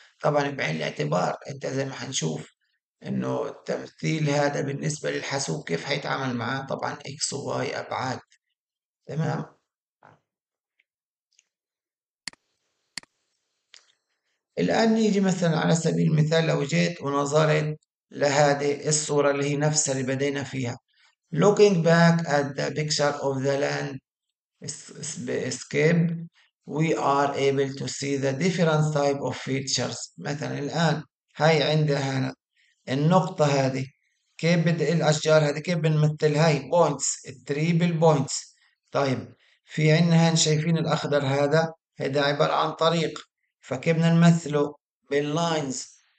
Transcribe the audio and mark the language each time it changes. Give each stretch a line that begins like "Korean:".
Arabic: طبعا بعين الاعتبار انت زي ما حنشوف انه التمثيل هذا بالنسبة للحاسوب كيف هيتعامل معاه، طبعا اكس وواي ابعاد. تمام، الآن نيجي مثلا على سبيل المثال لو جيت ونظرت لهذه الصورة اللي هي نفسها اللي بدينا فيها.
English: Looking back at the picture of the landscape, we are able to see the different type of features.
Arabic: مثلا الآن هاي عندها هنا النقطة هذه، كيف بدأ الأشجار هذه كيف بنمثل هاي points، triple points. طيب في عندنا هان شايفين الأخضر هذا، هذا عبارة عن طريق، فكيف بدنا نمثله باللاينز.